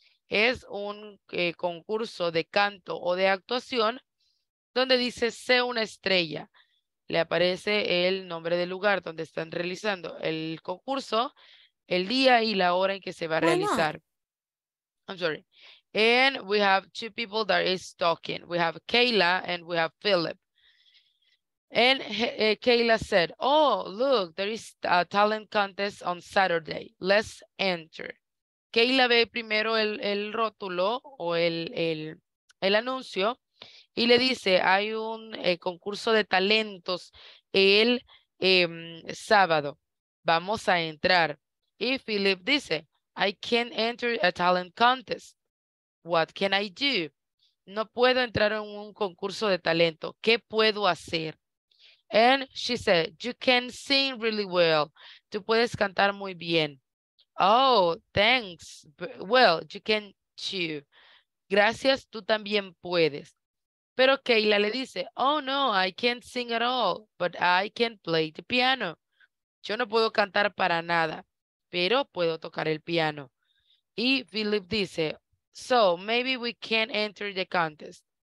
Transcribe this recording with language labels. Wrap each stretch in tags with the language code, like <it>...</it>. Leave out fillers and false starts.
<es>Es un concurso de canto o de actuación donde dice sé una estrella. Le aparece el nombre del lugar donde están realizando el concurso, el día y la hora en que se va a realizar.</es> <en>I'm sorry. And we have two people that is talking. We have Kayla and we have Philip. And Kayla said, oh, look, there is a talent contest on Saturday. Let's enter.</en> <es>Kayla ve primero el rótulo o el anuncio y le dice, hay un concurso de talentos el sábado. Vamos a entrar. Y Philip dice,</es> <en>I can't enter a talent contest. What can I do?</en> <es>No puedo entrar en un concurso de talento. ¿Qué puedo hacer?</es> <en>And she said, you can sing really well.</en> <es>Tú puedes cantar muy bien.</es> <en>Oh, thanks. Well, you can too.</en> <es>Gracias, tú también puedes. Pero Kayla le dice,</es> <en>oh no, I can't sing at all, but I can play the piano.</en> <es>Yo no puedo cantar para nada, pero puedo tocar el piano. Y Philip dice,</es> <en>so maybe we can enter the contest.</en>